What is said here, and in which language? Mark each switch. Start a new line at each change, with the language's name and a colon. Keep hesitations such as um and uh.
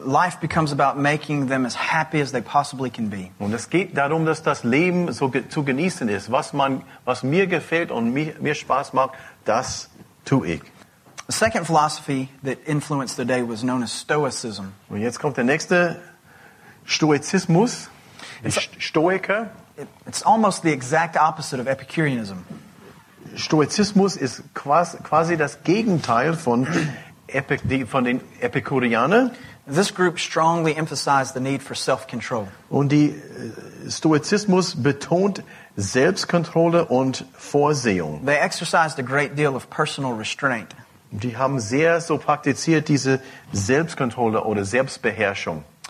English: Life becomes about making them as happy as they possibly can be.
German: Und es geht darum, dass das Leben so zu genießen ist, was man, was mir gefällt und mir, mir Spaß macht, das tue ich.
English: The second philosophy that influenced the day was known as Stoicism.
German: Und jetzt kommt der nächste Stoizismus, it's, a, Stoiker.
English: It, it's almost the exact opposite of Epicureanism.
German: Stoizismus is quasi, quasi das Gegenteil von, Epi, die, von den Epikureanern.
English: This group strongly emphasized the need for self-control.
German: Und die Stoizismus betont Selbstkontrolle und Vorsehung.
English: They exercised a great deal of personal restraint.
German: Die haben sehr so praktiziert diese Selbstkontrolle oder Selbstbeherrschung.